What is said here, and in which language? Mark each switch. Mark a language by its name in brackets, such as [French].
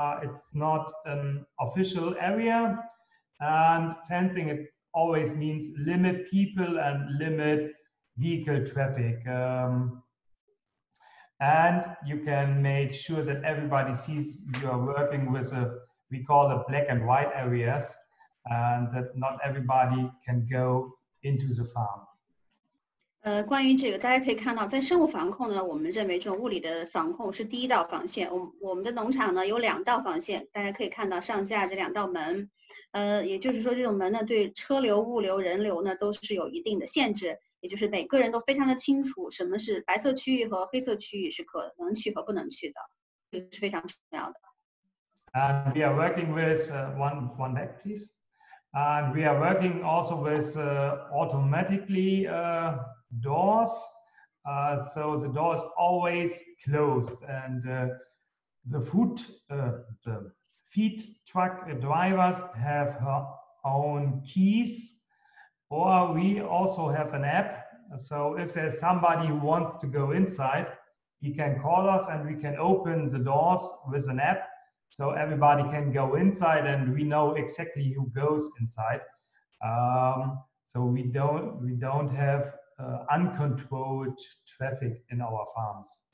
[English] It's not an official area. And fencing, it always means limit people and limit vehicle traffic. And you can make sure that everybody sees you are working with we call it black and white areas, and that not everybody can go into the farm. [Chinese] 关于这个大家可以看到在生物防控呢我们认为这种物理的防控是第一道防线我们的农场呢有两道防线大家可以看到上架这两道门也就是说这种门呢对车流物流人流呢都是有一定的限制也就是每个人都非常的清楚什么是白色区域和黑色区域是可能去和不能去的这是非常重要的 [English] And we are working with one back please and we are working also with automatically doors, so the door is always closed, and the feed truck drivers have her own keys, or we also have an app, so if there's somebody who wants to go inside, he can call us and we can open the doors with an app, so everybody can go inside and we know exactly who goes inside, so we don't have uncontrolled traffic in our farms.